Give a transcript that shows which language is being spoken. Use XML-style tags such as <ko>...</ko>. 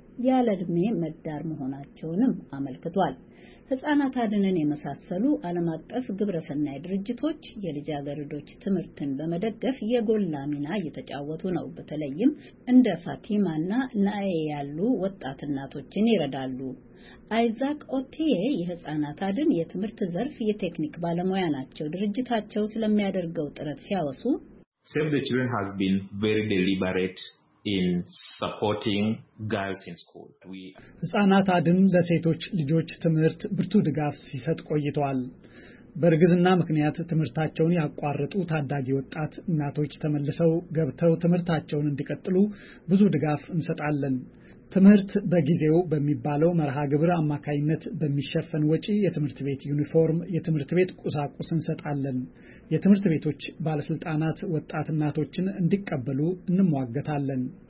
<am>ያለድሜ መዳር መሆናቸውንም አመልክቷል። ህጻናት አድነን የመሳሰሉ ዓለም አቀፍ ግብረሰናይ ድርጅቶች የልጃገረዶች ትምህርትን በመደገፍ የጎላ ሚና እየተጫወቱ ነው። በተለይም እንደ ፋቲማና ናኤ ያሉ ወጣት እናቶችን ይረዳሉ። አይዛክ ኦቴ የህጻናት አድን የትምህርት ዘርፍ የቴክኒክ ባለሙያ ናቸው። ድርጅታቸው ስለሚያደርገው ጥረት ሲያወሱ</am> <en>Save the Children has been very deliberate in supporting girls in school.</en> <am>ህጻናት አድን ለሴቶች ልጆች ትምህርት ብርቱ ድጋፍ ሲሰጥ ቆይቷል። በርግዝና ምክንያት ትምህርታቸውን ያቋረጡ ታዳጊ ወጣት እናቶች ተመልሰው ገብተው ትምህርታቸውን እንዲቀጥሉ ብዙ ድጋፍ እንሰጣለን። ትምህርት በጊዜው በሚባለው መርሃ ግብር አማካይነት በሚሸፈን ወጪ የትምህርት ቤት ዩኒፎርም፣ የትምህርት ቤት ቁሳቁስ እንሰጣለን። የትምህርት ቤቶች ባለስልጣናት ወጣትናቶችን እንዲቀበሉ እንሟገታለን።</am>